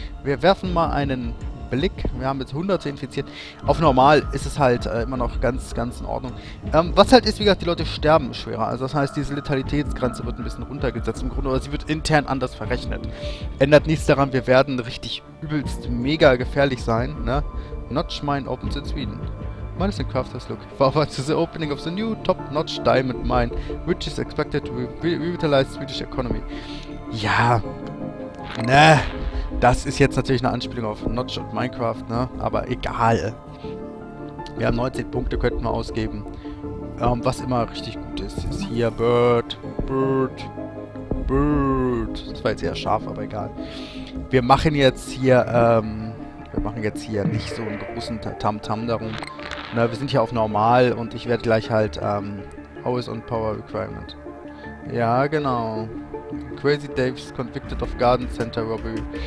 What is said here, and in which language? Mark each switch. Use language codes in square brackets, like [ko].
[de] Wir werfen mal einen Blick. Wir haben jetzt 100 infiziert. Auf Normal ist es halt immer noch ganz, ganz in Ordnung. Was halt ist, wie gesagt, die Leute sterben schwerer. Also das heißt, diese Letalitätsgrenze wird ein bisschen runtergesetzt im Grunde, aber sie wird intern anders verrechnet. Ändert nichts daran, wir werden richtig übelst mega gefährlich sein, ne? [en] Notch Mine opens in Sweden. Mine is in Crafters Look. Forward to the opening of the new top notch diamond mine, which is expected to revitalize Swedish economy. [de] Ja, ne? Das ist jetzt natürlich eine Anspielung auf Notch und Minecraft, ne? Aber egal. Wir haben 19 Punkte, könnten wir ausgeben. Was immer richtig gut ist, ist hier Bird. Bird. Bird. Das war jetzt eher scharf, aber egal. Wir machen jetzt hier, nicht so einen großen Tam-Tam darum. Na, wir sind hier auf Normal und ich werde gleich halt, Always on Power Requirement. Ja, genau. [en] Crazy Dave's convicted of Garden Center Robbery.